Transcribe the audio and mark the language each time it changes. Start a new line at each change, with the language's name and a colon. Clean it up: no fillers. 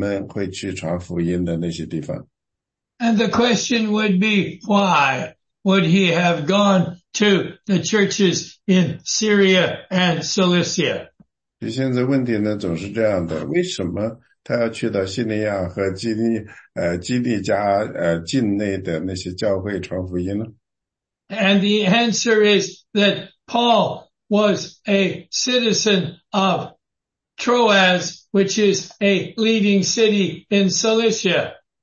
Chinese: 那其实呢，他其实呢，使徒保罗在那里，在叙利亚和基利加境内在那传福音。所以他讲的意思呢，他传福音的地方呢，并不是说通常人们会去传福音的那些地方。
English: And the question would be why would he have gone to the churches in Syria and Cilicia?
Chinese: 现在问题呢，总是这样的，为什么？他要去到叙利亚和基利加境内的那些教会传福音呢？
English: And the answer is that Paul was a citizen of Troas, which is a leading city in Cilicia.